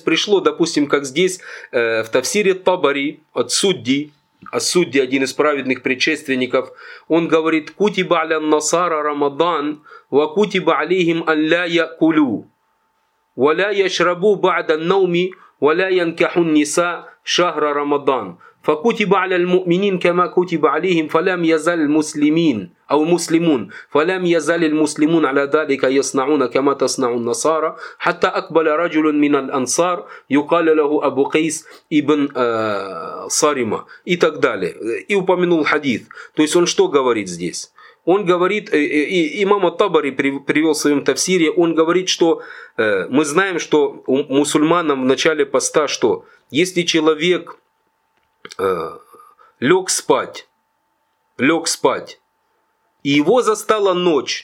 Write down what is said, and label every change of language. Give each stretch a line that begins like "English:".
Russian: Пришло, допустим, как здесь в тафсире Табари от судьи, а судьи один из праведных предшественников, он говорит:
Arabic: «Кутиба аля насара Рамадан, ва кутиба алейхим алля якулю, ва ля яшрабу ба'да науми, ва ля янкахун ниса шахра Рамадан. Фа кутиба аля муминин кама кутиба алейхим фалям язаль муслимин». أو مسلمون فلم يزال المسلمون على ذلك يصنعون كما تصنع النصارى حتى أقبل رجل من الأنصار يقال له أبو قيس ابن صارمة
Russian: и так далее. И упомянул хадис. То есть он что говорит здесь? Он говорит, имам Табари привел в своем тафсире, он говорит, что мы знаем, что у мусульманам в начале поста, что если человек лег спать, и его застала ночь.